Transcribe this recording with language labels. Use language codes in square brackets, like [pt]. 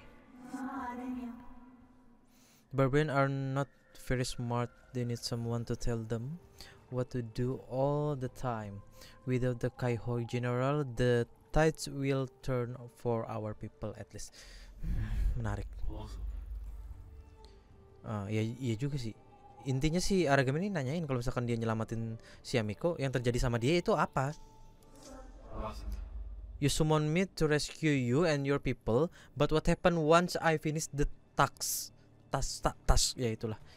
[en] The barbarian are not very smart. They need someone to tell them what to do all the time. Without the Kaihoi general, the tides will turn for our people at least. [id] Menarik. Iya juga sih. Intinya si Aragami ini nanyain kalau misalkan dia nyelamatin si Yamiko, yang terjadi sama dia itu apa? [en] You summon me to rescue you and your people, but what happened once I finish the task, [id] ya itulah.